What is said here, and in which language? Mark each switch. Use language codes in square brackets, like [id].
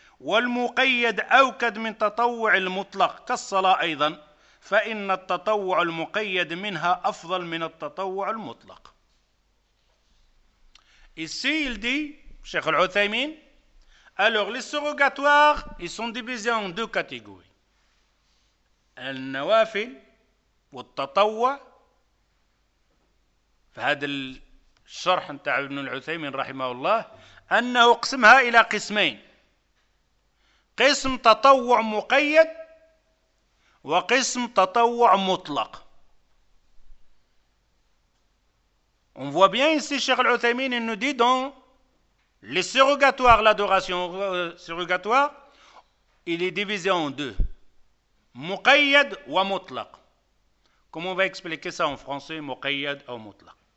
[ar] والمقيد أوكد من تطوع المطلق كالصلاة أيضا فإن التطوع المقيد منها أفضل من التطوع المطلق. [fr] Ici, il dit, Cheikh Al-Uthaymin, alors les surrogatoires, ils sont divisés en deux catégories. [ar] النوافل والتطوع. فهذا الشرح نتاع ابن العثيمين رحمه الله أنه قسمها إلى قسمين. قسم تطوع مقيد وقسم تطوع مطلق. [fr] On voit bien ici, Cheikh Al-Uthaymin, il nous dit dans les surrogatoires, l'adoration surrogatoire, il est divisé en deux. Muqayyad wa mutlaq. Comment on va expliquer ça en français, muqayyad ou mutlaq?